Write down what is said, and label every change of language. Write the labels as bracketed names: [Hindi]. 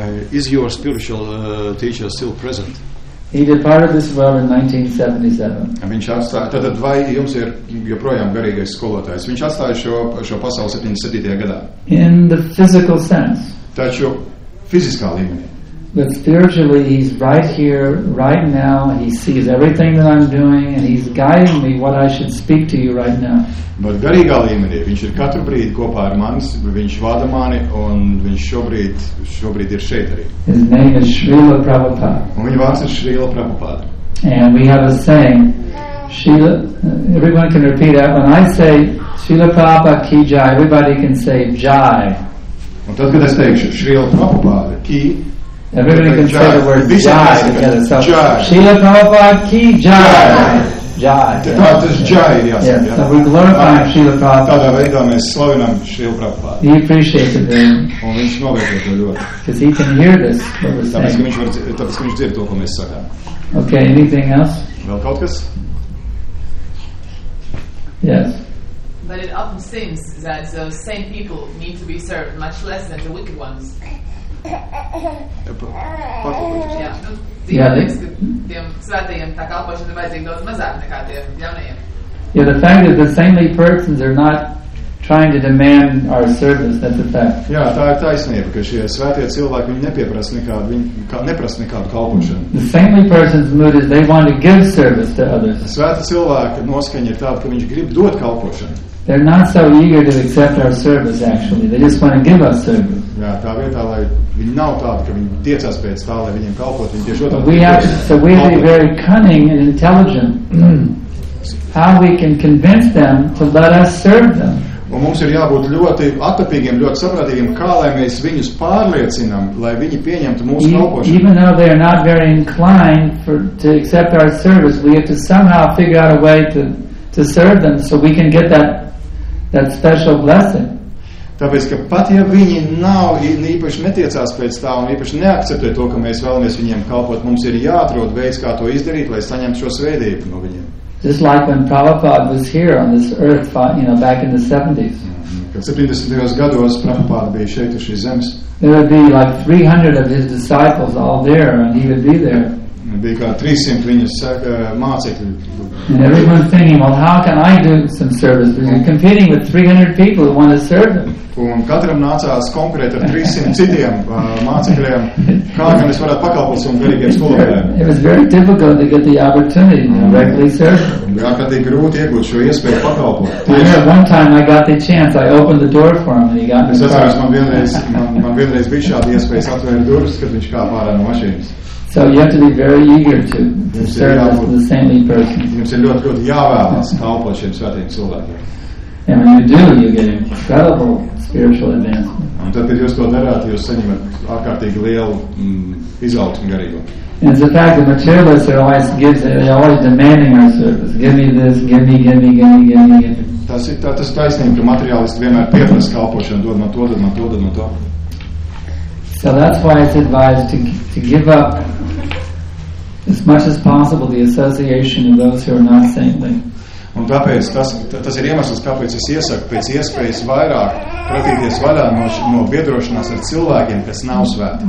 [English] Is your spiritual teacher still present? He departed this world in 1977. [Latvian] Viņš atstāja, tātad vai jums ir joprojām garīgais skolotājs? Viņš atstāja šo pasauli 77. Gadā. [English] In the physical sense. [Latvian] Taču fiziskā līmenī. [English] But spiritually he's right here, right now, he sees everything that I'm doing and he's guiding me what I should speak to you right now. [Latvian] Bet garīgā līmenī, viņš ir katru brīdi kopā ar manis, viņš vada mani un viņš šobrīd ir šeit arī. [English] His name is Srila Prabhupada. [Latvian] Un viņa vārds ir Srila Prabhupada. [English] And we have a saying, Srila, everyone can repeat that, when I say Srila Prabhupada ki jai, everybody can say jai. [Latvian] Un tad, kad es teikšu Srila Prabhupada ki, [English] everybody can say the word jai together. So, Srila Prabhupada ki jai. Jai. So we glorify Srila Prabhupada. [Latvian] Veidā mēs slavinam Srila Prabhupada. [English] He appreciates it very much. [Latvian] Un viņš novērtē to ļoti. [English] Because he can hear this. [Latvian] Tāpēc, ka viņš dzird to, ko mēs sakām. [English] Okay, anything else? [Latvian] Vēl kaut kas? [English] Yes. But it often seems that the same people need to be served much less than the wicked ones. Yeah, the fact that the saintly persons are not trying to demand our service, that's a fact. [Latvian] Jā, tā ir taisnība, ka šie svētie cilvēki viņi nepieprasa nekādu, viņi neprasa nekādu kalpošanu. [English] The saintly person's mood is they want to give service to others. [Latvian] Svētie cilvēki noskaņa ir tāda, ka viņš grib dot kalpošanu. [English] They're not so eager to accept our service, actually. They just want to give us service. [Latvian] Jā, tā vietā, lai viņi nav tādi, ka viņi tiecās pēc tā, lai viņiem kalpot, viņi tieši otrādi. [English] We have to, so we be very cunning and intelligent. How we can convince them to let us serve them. [Latvian] Un mums ir jābūt ļoti atapīgiem, ļoti saprātīgiem, kā lai mēs viņus pārliecinām, lai viņi pieņemtu mūsu kalpošanu. [English] Even though they are not very inclined for, to accept our service, we have to somehow figure out a way to serve them so we can get that special blessing. [Latvian] Tāpēc, ka pat ja viņi nav īpaši netiecās pēc tā un īpaši neakceptē to, ka mēs vēlamies viņiem kalpot, mums ir jāatrod veids, kā to izdarīt, lai saņemtu šo svētību no viņiem. [English] Just like when Prabhupada was here on this earth, you know, back in the 70s. [Latvian] Kad 70. Gados Prabhupada bija šeit uz šīs zemes. [English] There would be like 300 of his disciples all there, and he would be there. [Latvian] Bija kā 300 viņa mācekļi. [English] And everyone's thinking, well, how can I do some service? We're competing with 300 people who want to serve him. [Latvian] Un katram nācās konkurēt ar 300 citiem mācekļiem, kā gan es varētu pakalpot savam garīgiem skolotājiem. [English] It was very difficult to get the opportunity to directly serve. [Latvian] Bija kā tik grūti iegūt šo iespēju pakalpot. [English] One time I got the chance, I opened the door for him and he got me. [Latvian] Es atceros, man vienreiz bija šāda iespēja, es atvēru durvis, kad viņš kāp ārā no mašīnas. [English] So you have to be very eager to serve as the saintly person. [Latvian] Jums ir ļoti, ļoti jāvēlas kalpot šiem svētiem cilvēkiem. [English] And when you do, you get incredible spiritual advancement. [Latvian] Un tad, kad jūs to darāt, jūs saņemat ārkārtīgi lielu izaugsmu garīgo. [English] And the fact that materialists are always gives, they're always demanding our service. Give me this, give me, give me, give me, give me, give me. [Latvian] Tas ir tas taisnība, ka materialisti vienmēr pieprasa kalpošanu, dod man to, dod man to, dod man to. [English] So that's why it's advised to give up as much as possible the association of those who are not saintly. [Latvian] Un tāpēc tas ir iemesls, kāpēc es iesaku pēc iespējas vairāk pratīties vaļā no biedrošanās ar cilvēkiem, kas nav svēti.